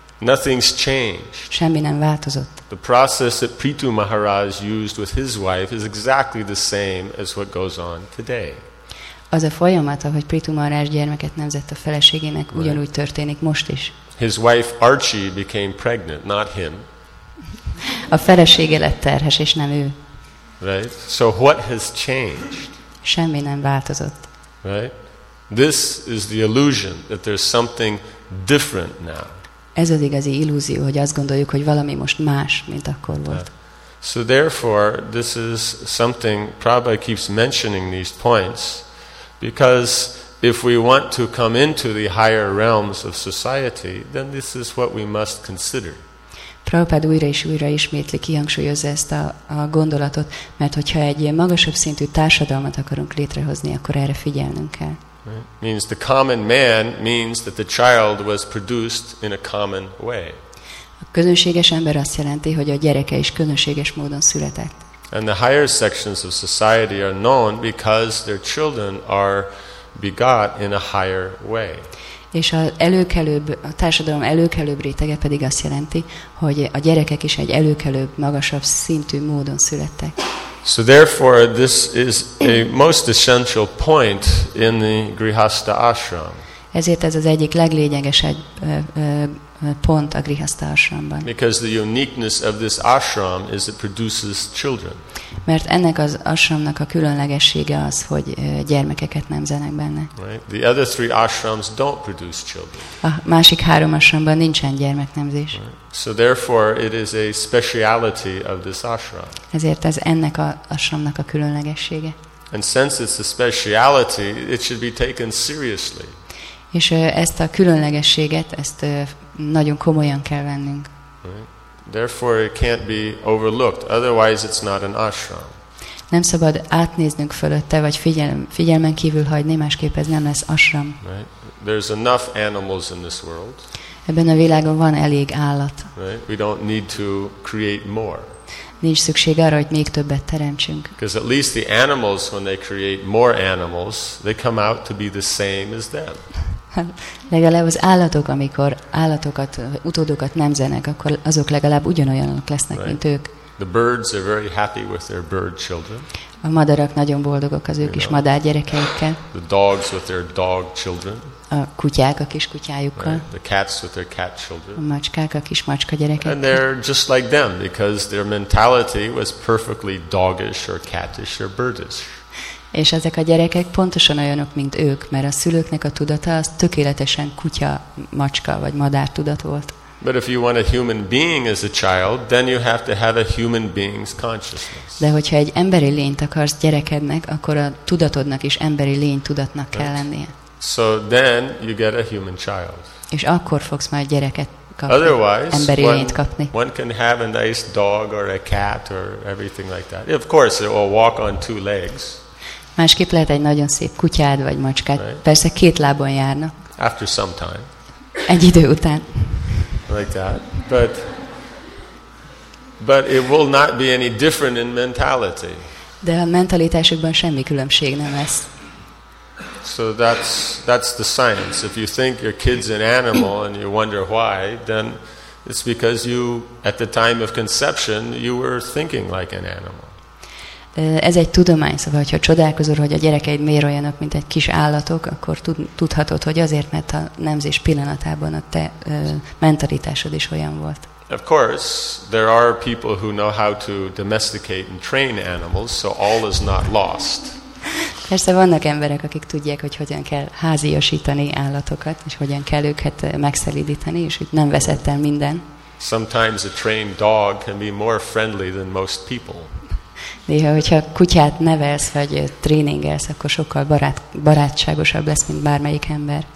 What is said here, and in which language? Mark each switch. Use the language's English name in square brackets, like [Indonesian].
[English] Nothing's changed. [Hungarian] Semmi nem változott. [English] The process that Pritu Maharaj used with his wife is exactly the same as what goes on today. [Hungarian] Az a folyamat, ahogy Pritu Maharaj gyermeket nemzett a feleségének, ugyanúgy történik most is. [English] His wife Archie became pregnant, not him. [Hungarian] A felesége lett terhes, és nem ő. [English] Right? So what has changed? [Hungarian] Semmi nem változott. [English] Right? This is the illusion that there's something different now. [Hungarian] Ez az igazi illúzió, hogy azt gondoljuk, hogy valami most más, mint akkor volt. [English] So therefore, this is something Prabhupada keeps mentioning these points. Because if we want to come into the higher realms of society, then this is what we must consider. [Hungarian] Prabhupada újra és újra ismétli, kihangsúlyozza ezt a gondolatot, mert hogyha egy magasabb szintű társadalmat akarunk létrehozni, akkor erre figyelnünk kell. [English] Right. Means the common man means that the child was produced in a common way. [Hungarian] A közönséges ember azt jelenti, hogy a gyereke is közönséges módon született. [English] And the higher sections of society are known because their children are begot in a higher way. [Hungarian] És az előkelőbb, a társadalom előkelőbb rétege pedig azt jelenti, hogy a gyerekek is egy előkelőbb, magasabb szintű módon születtek. [English] So therefore, this is a most essential point in the Grihastha ashram. [Hungarian] Ezért ez az egyik leglényegesebb pont a Grihastha ashramban. [English] Because the uniqueness of this ashram is it produces children. [Hungarian] Mert ennek az ashramnak a különlegessége az, hogy gyermekeket nemzenek benne. [English] Right? The other three ashrams don't produce children. [Hungarian] A másik három ashramban nincsen gyermeknemzés. [English] Right? So therefore it is a speciality of this ashram. [Hungarian] Ezért ez ennek az ashramnak a különlegessége. [English] And since it's a speciality, it should be taken seriously. [Hungarian] És ezt a különlegességet, ezt nagyon komolyan kell vennünk. [English] Therefore it can't be overlooked, otherwise it's not an ashram. [Hungarian] Nem szabad átnéznünk fölötte, vagy figyelmen kívül hagyni, másképp ez nem lesz ashram. [English] Right? There's enough animals in this world. [Hungarian] Ebben a világon van elég állat. [English] Right? We don't need to create more. [Hungarian] Nincs szükség arra, hogy még többet teremtsünk. [English] Because at least the animals, when they create more animals, they come out to be the same as them. [Hungarian] Legalább az állatok, amikor állatokat, utódokat nemzenek, akkor azok legalább ugyanolyanok lesznek, right, mint ők. [English] The birds are very happy with their bird children. [Hungarian] A madarak nagyon boldogok az ők kis madár gyerekeikkel. [English] The dogs with their dog children. [Hungarian] A kutyák a kis kutyájukkal. [English] Right. The cats with their cat children. [Hungarian] A macskák a kis macska gyerekeikkel. [English] And they're just like them because their mentality was perfectly doggish or catish or birdish. [Hungarian] És ezek a gyerekek pontosan olyanok, mint ők, mert a szülőknek a tudata az tökéletesen kutya, macska vagy madár tudat volt. [English] But if you want a human being as a child, then you have to have a human being's consciousness. [Hungarian] De hogyha egy emberi lényt akarsz gyerekednek, akkor a tudatodnak is emberi lény tudatnak kell lennie. [English] So then you get a human child. [Hungarian] És akkor fogsz már gyereket kapni. [English] Otherwise, [Hungarian] emberi lényt kapni. [English] One can have a nice dog or a cat or everything like that. Of course, it will walk on two legs. [Hungarian] Másképp lehet egy nagyon szép kutyád vagy macskád. Right? Persze két lábon járnak. [English] After some time. [Hungarian] Egy idő után. [English] Like that, but it will not be any different in mentality. [Hungarian] De a mentalitásukban semmi különbség nem lesz. [English] So that's the science. If you think your kid's an animal and you wonder why, then it's because you, at the time of conception, you were thinking like an animal. [Hungarian] Ez egy tudomány, szóval, hogyha csodálkozol, hogy a gyerekeid miért olyanok, mint egy kis állatok, akkor tudhatod, hogy azért, mert a nemzés pillanatában a te mentalitásod is olyan volt. [English] Of course, there are people who know how to domesticate and train animals, so all is not lost. [Hungarian] Persze vannak emberek, akik tudják, hogy hogyan kell háziasítani állatokat, és hogyan kell őket megszelídíteni, és hogy nem veszett el minden. [English] Sometimes a trained dog can be more friendly than most people. [Hungarian] Néha, hogyha kutyát nevelsz, vagy tréningelsz, akkor sokkal barátságosabb lesz, mint bármelyik ember.